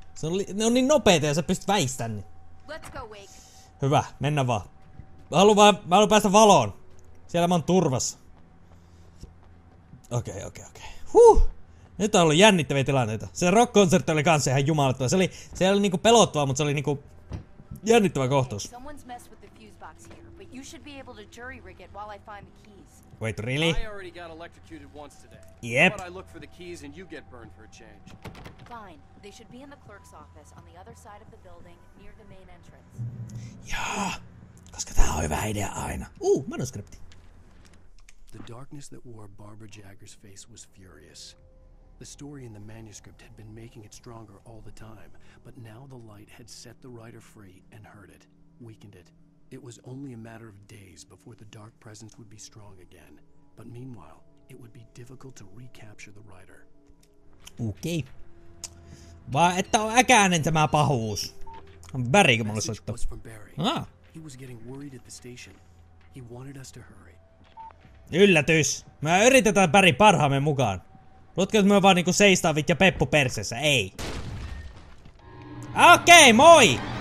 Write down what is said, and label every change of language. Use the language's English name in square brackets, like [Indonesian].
[Finnish] Se on ne on niin nopeita ja sä pystyt väistämään. [English] Let's go, Wake. [Finnish] Hyvä, mennä vaan. Mä haluun päästä valoon. Siellä mä oon turvassa. Okei. Huuu! Nyt on ollut jännittäviä tilanteita. Se rock-konsertti oli kans ihan jumalattua. Se oli niinku pelottavaa, mutta se oli niinku... Jännittävä kohtaus. [English] Someone's messed with the fuse box here, but you should be able to jury rig it while I find the keys. Wait, really? I already got electrocuted once today. Yep. But I look for the keys and you get burned for a change. Fine. They should be in the clerk's office on the other side of the building near the main entrance. [Finnish] Jaa, koska tää on hyvä idea aina. Manuskripti. [English] The darkness that wore Barbara Jagger's face was furious. The story in the manuscript had been making it stronger all the time, but now the light had set the writer free and hurt it, weakened it. It was only a matter of days before the dark presence would be strong again, but meanwhile, it would be difficult to recapture the writer. Okay. [Finnish] Vaan että on äkäänen tämä pahuus. Barryko mulle soittaa. [English] Ah. He was getting worried at the station. He wanted us to hurry. [Finnish] Yllätys. Mä yritetään Barry parhaamme mukaan. Luotko, että me vaan niinku seistaa vittu peppu persessä? Ei. Okei, moi!